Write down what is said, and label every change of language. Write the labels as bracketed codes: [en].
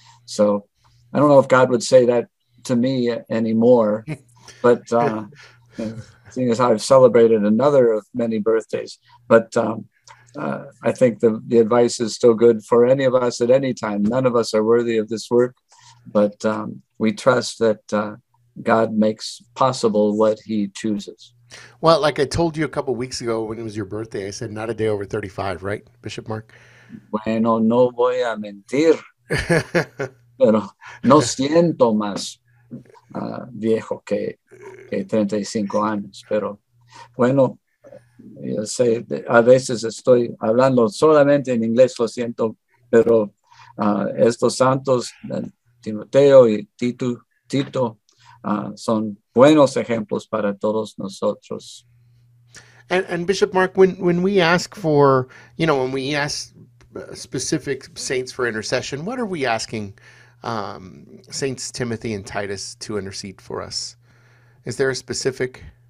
[en] So I don't know if God would say that to me anymore, but seeing as how I've celebrated another of many birthdays, but I think the advice is still good for any of us at any time. None of us are worthy of this work, but we trust that God makes possible what he chooses. Well, like I told you a couple of weeks ago when it was your birthday, I said, not a day over 35, right, Bishop Mark? [es] Bueno, no voy a mentir, pero no siento más viejo que 35 años, pero bueno, yo sé, a veces estoy hablando solamente en inglés, lo siento, pero estos santos, Timoteo y Tito, son buenos ejemplos para todos nosotros. [en] And Bishop Mark, when we ask for, you know, when we ask specific saints for intercession, what are we asking Saints Timothy and Titus to intercede for us? Is there a specific?